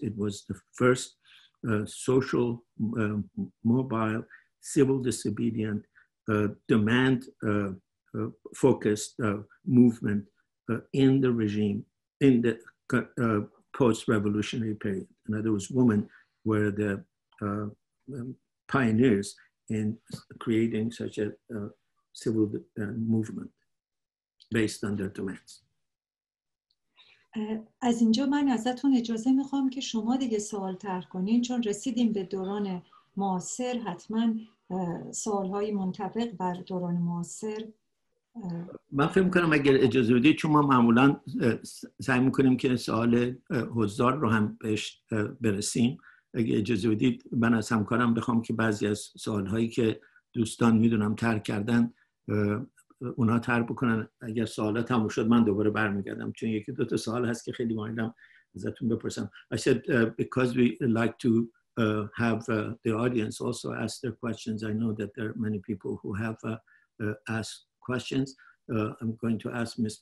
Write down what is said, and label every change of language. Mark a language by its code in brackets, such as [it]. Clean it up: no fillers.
[en] It was the first social, mobile, civil disobedient, demand focused movement in the regime in the post-revolutionary period. In other words, women were the pioneers in creating such a civil movement based on their demands. [fa] از اینجا من ازتون اجازه میخوام که شما دیگه سوال طرح کنین، چون رسیدیم به دوران معاصر، حتما سوالهای منطبق بر دوران معاصر. من فکر میکنم اگر اجازه بدید، چون ما معمولا سعی میکنیم که سوال حضار رو هم بهش برسیم، اگر اجازه بدید من از همکارم بخوام که بعضی از سوالهایی که دوستان میدونم طرح کردن اونا تر بکنن. اگر سوالات تموم شد من دوباره برمیگردم، چون یکی دو تا سوال هست که خیلی مایلم ازتون بپرسم. [en] I said because we like to have the audience also ask their questions. I know that there are many people who have asked questions. I'm going to ask Ms.